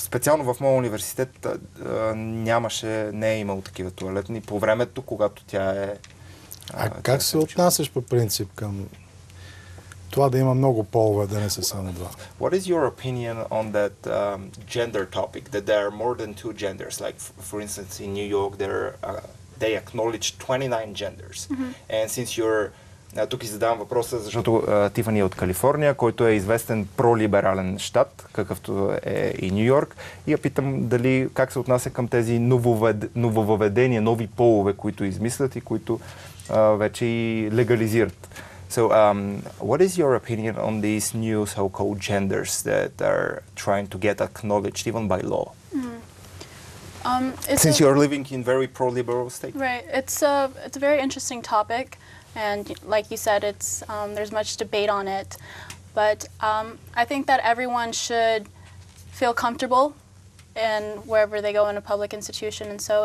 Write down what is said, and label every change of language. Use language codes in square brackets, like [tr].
[bg] Специално в моя университет нямаше, не е имало такива туалетни по времето, когато тя е... Как се отнасяш по принцип към това да има много полове, да не са само два? [en] What is your opinion on that gender topic, that there are more than two genders? Like, for instance, in New York, there they acknowledge 29 genders. Mm-hmm. And since you're [bg] тук и задавам въпроса, защото Тифани е от Калифорния, който е известен пролиберален щат, какъвто е и Ню Йорк. И я питам дали как се отнася към тези нововъведения, нови полове, които измислят и които вече и легализират. [en] So, what is your opinion on these new so-called genders that are trying to get acknowledged even by law? Mm-hmm. Since you are living in very pro-liberal state. Right. It's a very interesting topic. And like you said, it's there's much debate on it, but I think that everyone should feel comfortable in wherever they go in a public institution, and so.